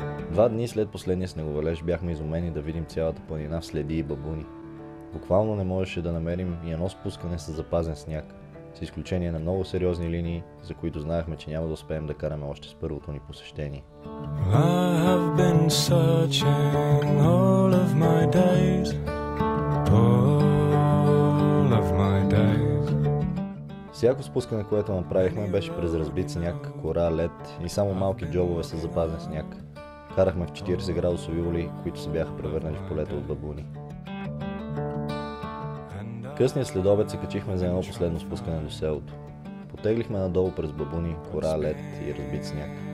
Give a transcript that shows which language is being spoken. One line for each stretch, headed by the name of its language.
Bulgarian: Два дни след последния снеговалеж бяхме изумени да видим цялата планина в следи и бабуни. Буквално не можеше да намерим и едно спускане с запазен сняг, с изключение на много сериозни линии, за които знаехме, че няма да успеем да караме още с първото ни посещение.
English: I have been searching all of my days, all of my days.
Bulgarian: Всяко спускане, което направихме, беше през разбит сняг, кора, лед и само малки джобове с запазен сняг. Карахме в 40 градусови ули, които се бяха превърнали в полето от бабуни. Късния следобед се качихме за едно последно спускане до селото. Потеглихме надолу през бабуни, кора, лед и разбит сняг.